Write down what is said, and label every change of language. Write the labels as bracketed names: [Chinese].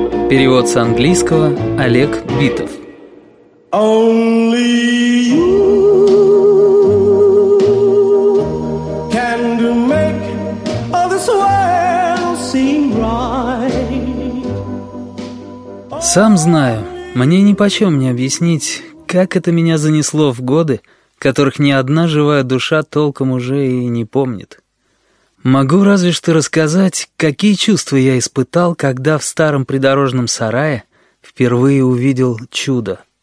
[Russian] Перевод с английского Олег Битов. [English] Only you can make all this world seem right. [Russian] Сам знаю, мне нипочем не объяснить, как это меня занесло в годы, которых ни одна живая душа толком уже и не помнит. Могу разве что рассказать, какие чувства я испытал, когда в старом придорожном сарае впервые увидел чудо.